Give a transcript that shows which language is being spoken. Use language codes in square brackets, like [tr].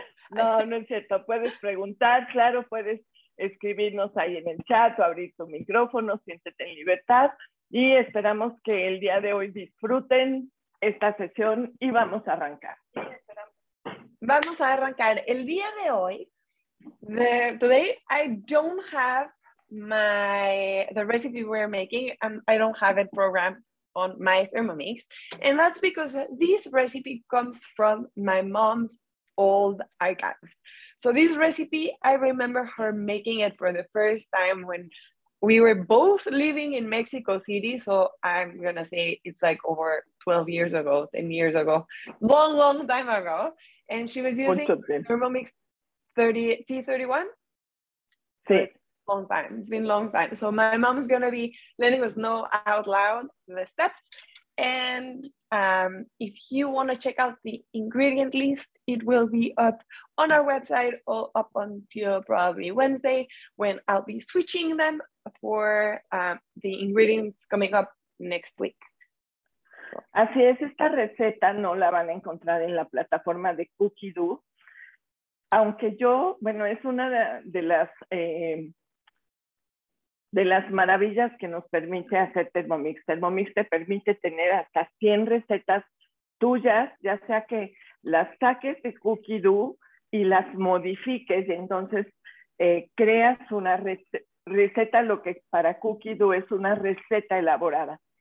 [es] No es cierto. Puedes preguntar, claro, puedes escribirnos ahí en el chat o abrir tu micrófono, siéntete en libertad. Y esperamos que el día de hoy disfruten esta sesión y vamos a arrancar. Vamos a arrancar el día de hoy. [en] Today I don't have the recipe we're making, and I don't have it programmed on my Thermomix, and that's because this recipe comes from my mom's old archives. So this recipe, I remember her making it for the first time when we were both living in Mexico City. So I'm gonna say it's like over 12 years ago, 10 years ago, long, long time ago. And she was using Thermomix T31. [es] Sí. [en] Long time. It's been a long time. So my mom's gonna be letting us know out loud the steps. And if you want to check out the ingredient list, it will be up on our website all up until probably Wednesday, when I'll be switching them for the ingredients coming up next week. [es] Así es, esta receta no la van a encontrar en la plataforma de Cookidoo, aunque yo, bueno, es una de las maravillas que nos permite hacer Thermomix. Thermomix te permite tener hasta 100 recetas tuyas, ya sea que las saques de Cookidoo y las modifiques, y entonces creas una receta, lo que para Cookidoo es una receta elaborada.